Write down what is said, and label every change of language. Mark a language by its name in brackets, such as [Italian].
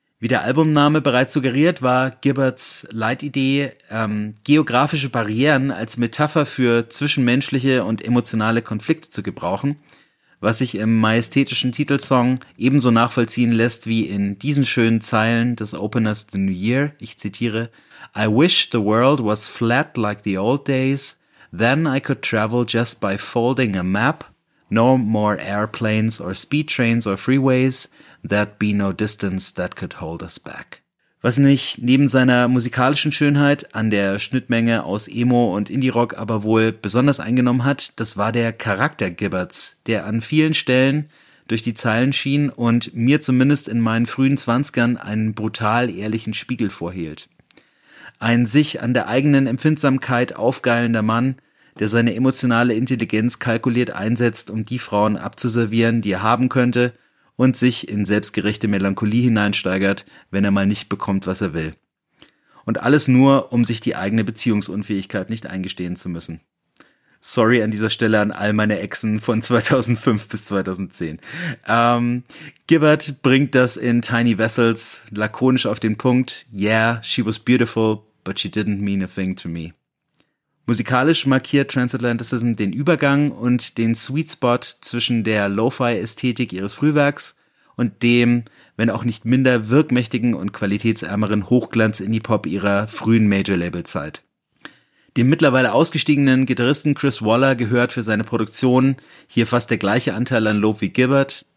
[German] Wie der Albumname bereits suggeriert, war Gibberts Leitidee, geografische Barrieren als Metapher für zwischenmenschliche und emotionale Konflikte zu gebrauchen, was sich im majestätischen Titelsong ebenso nachvollziehen lässt wie in diesen schönen Zeilen des Openers The New Year. Ich zitiere, [English] I wish the world was flat like the old days. Then I could travel just by folding a map. No more airplanes or speed trains or freeways. There'd be no distance that could hold us back. [German] Was mich neben seiner musikalischen Schönheit an der Schnittmenge aus Emo und Indie-Rock aber wohl besonders eingenommen hat, das war der Charakter Gibberts, der an vielen Stellen durch die Zeilen schien und mir zumindest in meinen frühen Zwanzigern einen brutal ehrlichen Spiegel vorhielt. Ein sich an der eigenen Empfindsamkeit aufgeilender Mann, der seine emotionale Intelligenz kalkuliert einsetzt, um die Frauen abzuservieren, die er haben könnte, und sich in selbstgerechte Melancholie hineinsteigert, wenn er mal nicht bekommt, was er will. Und alles nur, um sich die eigene Beziehungsunfähigkeit nicht eingestehen zu müssen. Sorry an dieser Stelle an all meine Exen von 2005 bis 2010. Gibbard bringt das in Tiny Vessels lakonisch auf den Punkt. [English] Yeah, she was beautiful, but she didn't mean a thing to me. [German] Musikalisch markiert Transatlanticism den Übergang und den Sweet Spot zwischen der Lo-Fi-Ästhetik ihres Frühwerks und dem, wenn auch nicht minder wirkmächtigen und qualitätsärmeren Hochglanz-Indie-Pop ihrer frühen Major-Label-Zeit. Dem mittlerweile ausgestiegenen Gitarristen Chris Waller gehört für seine Produktion hier fast der gleiche Anteil an Lob wie Gibbard.